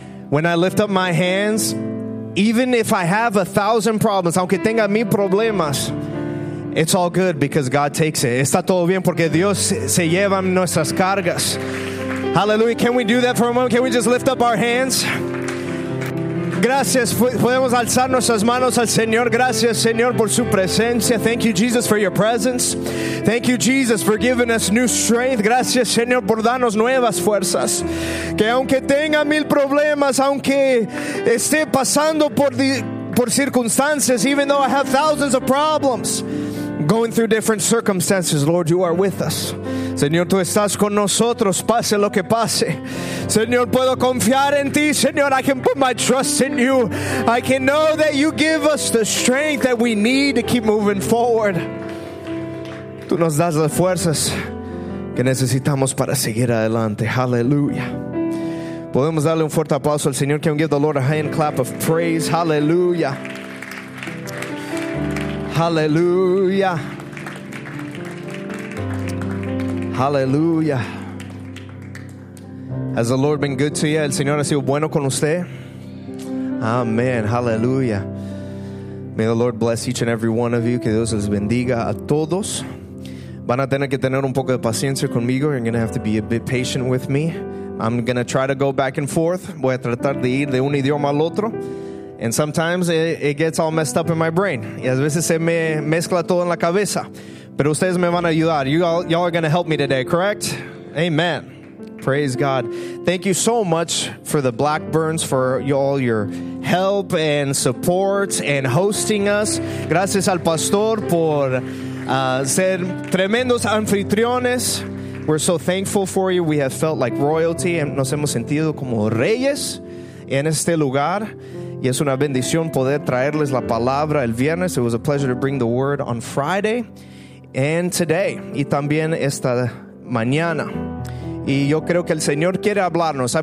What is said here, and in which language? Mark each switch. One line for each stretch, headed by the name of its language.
English: When I lift up my hands, even if I have 1,000 problems,
Spanish: aunque tenga mil problemas,
English: it's all good because God takes it.
Spanish: Está todo bien porque Dios se lleva nuestras cargas. Hallelujah.
English: Can we do that for a moment? Can we just lift up our hands?
Spanish: Gracias, podemos alzar nuestras manos al Señor. Gracias, Señor, por su presencia.
English: Thank you, Jesus, for your presence. Thank you, Jesus, for giving us new strength.
Spanish: Gracias, Señor, por darnos nuevas fuerzas. Que aunque tenga mil problemas, aunque esté pasando por circunstancias,
English: even though I have thousands of problems, going through different circumstances, Lord, you are with us.
Spanish: Señor, tú estás con nosotros, pase lo que pase. Señor, puedo confiar en ti.
English: Señor, I can put my trust in you. I can know that you give us the strength that we need to keep moving forward.
Spanish: Tú nos das las fuerzas que necesitamos para seguir adelante. Hallelujah. Podemos darle un fuerte aplauso al Señor.
English: Can we give the Lord a hand clap of praise? Hallelujah. Hallelujah. Hallelujah. Has the Lord been good to you?
Spanish: El Señor ha sido bueno con usted.
English: Amen. Hallelujah. May the Lord bless each and every one of you.
Spanish: Que Dios les bendiga a todos. Van a tener que tener un poco de paciencia conmigo.
English: You're going to have to be a bit patient with me. I'm going to try to go back and forth.
Spanish: Voy a tratar de ir de un idioma al otro.
English: And sometimes it gets all messed up in my brain.
Spanish: Y a veces se me mezcla todo en la cabeza. Pero ustedes me van a ayudar.
English: Y'all are going to help me today, correct? Amen. Praise God. Thank you so much for the Blackburns, for all your help and support and hosting us.
Spanish: Gracias al pastor por ser tremendos anfitriones.
English: We're so thankful for you. We have felt like royalty.
Spanish: Nos hemos sentido como reyes en este lugar. Y es una bendición poder traerles la palabra el viernes.
English: It was a pleasure to bring the word on Friday and today.
Spanish: Y también esta mañana. Y yo creo que el Señor quiere hablarnos.